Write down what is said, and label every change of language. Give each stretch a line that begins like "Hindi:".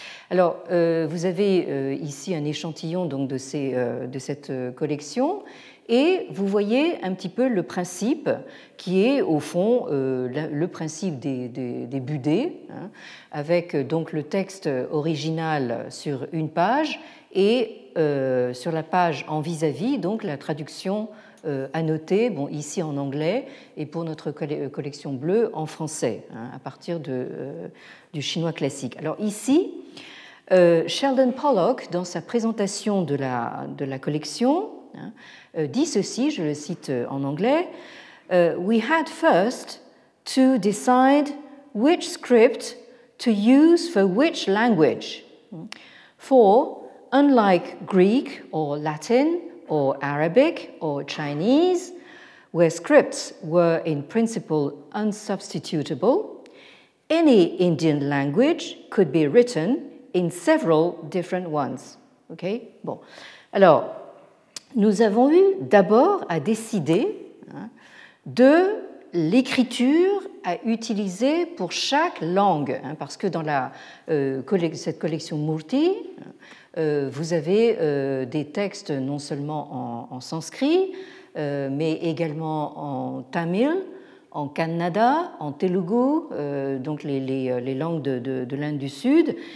French: Alors, vous avez ici un échantillon donc, de cette collection, et vous voyez un petit peu le principe qui est, au fond, le principe des budets, avec donc, le texte original sur une page et sur la page en vis-à-vis, donc la traduction à noter, bon, ici en anglais et pour notre collection bleue en français, à partir du chinois classique. Alors ici, Sheldon Pollock, dans sa présentation de la collection, dit ceci, je le cite en anglais, «
English: We had first to decide which script to use for which language. For, unlike Greek or Latin or Arabic or Chinese, where scripts were in principle unsubstitutable, any Indian language could be written in several different ones.
French: OK? Bon. Alors, nous avons eu d'abord à décider de l'écriture à utiliser pour chaque langue, hein, parce que dans cette collection Murti, vous avez des textes non seulement en sanskrit, mais également en tamil, en kannada, en telugu, donc les langues de l'Inde du Sud.